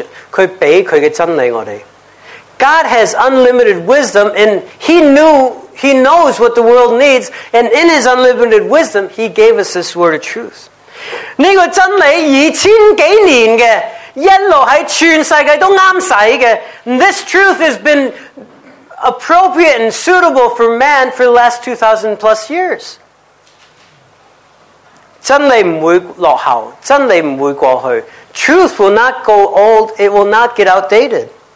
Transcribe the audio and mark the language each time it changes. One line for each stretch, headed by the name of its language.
English: God has unlimited wisdom, and He knows what the world needs, and in His unlimited wisdom, He gave us this word of truth.
Cantonese: 这个真理2000多年的,一路在全世界都对的,
English: this truth has been appropriate and suitable for man for the last 2,000 plus years.
Cantonese: 真理不会落后,真理不会过去。Truth
English: will not go old, it will not get outdated.